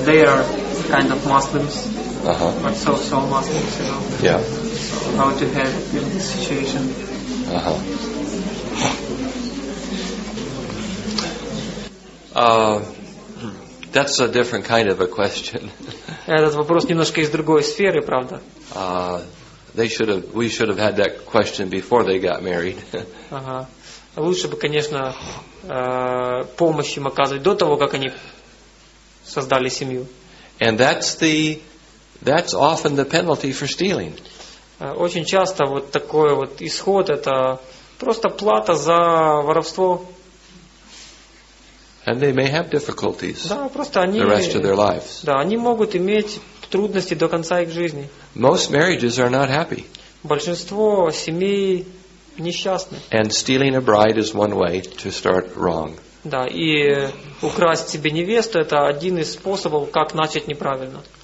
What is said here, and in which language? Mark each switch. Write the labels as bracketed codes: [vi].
[en] They are kind of Muslims, but so Muslims, you know. Yeah. So how to help in this situation? That's a different kind of a question. [ru] Этот вопрос немножко из другой сферы, правда? [en] We should have had that question before they got married. [ru] Лучше бы, конечно, помощь им оказывать до того, как они создали семью. [en] And that's often the penalty for stealing. [ru] Очень часто вот такой вот исход – это просто плата за воровство. [en] And they may have difficulties. [ru] Да, просто они. [en] The rest of their lives. [ru] Да, они могут иметь трудности до конца их жизни. [en] Most marriages are not happy. [ru] Большинство семей несчастны. [en] And stealing a bride is one way to start wrong. [ru] Да, и украсть себе невесту – это один из способов, как начать неправильно.